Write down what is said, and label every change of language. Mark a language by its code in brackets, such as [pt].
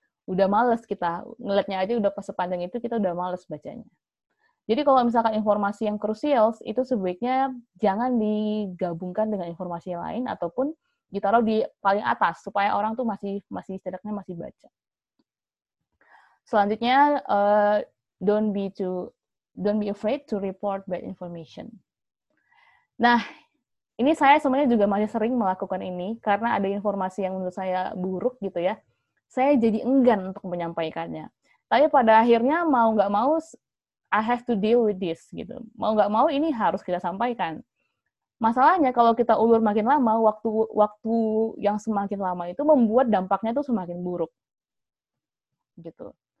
[id] Udah malas kita, ngeliatnya aja udah pas sepanjang itu, kita udah malas bacanya. Jadi kalau misalkan informasi yang krusial, itu sebaiknya jangan digabungkan dengan informasi lain ataupun ditaruh di paling atas supaya orang tuh masih setidaknya masih baca. [en] Selanjutnya, don't be afraid to report bad information. [id] Nah, ini saya sebenarnya juga masih sering melakukan ini karena ada informasi yang menurut saya buruk gitu ya. Saya jadi enggan untuk menyampaikannya. Tapi pada akhirnya mau nggak mau, [en] I have to deal with this, [id] gitu. Mau nggak mau, ini harus kita sampaikan. Masalahnya, kalau kita ulur makin lama, waktu yang semakin lama itu membuat dampaknya tuh semakin buruk. Gitu.